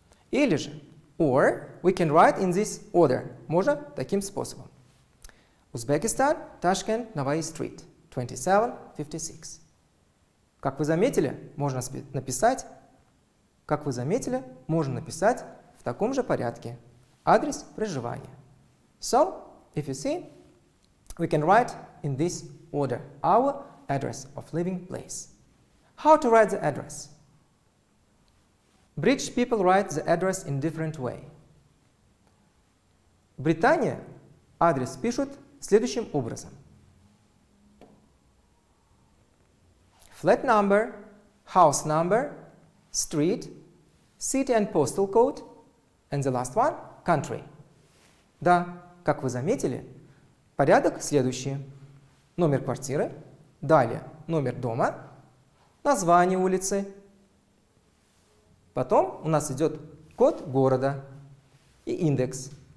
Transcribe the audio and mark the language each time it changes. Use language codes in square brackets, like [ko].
[ru] Или же, [en] or we can write in this order, [ru] можно таким способом. Узбекистан, Ташкент, Navai Street, 2756. Как вы заметили, можно написать, в таком же порядке адрес проживания. [en] So, if you see, we can write in this order our address of living place. How to write the address? British people write the address in different way. [ru] В Британии адрес пишут следующим образом. [en] Flat number, house number, street, city and postal code, and the last one – country. [ru] Да, как вы заметили, порядок следующий. Номер квартиры, далее номер дома, название улицы, потом у нас идет код города и индекс.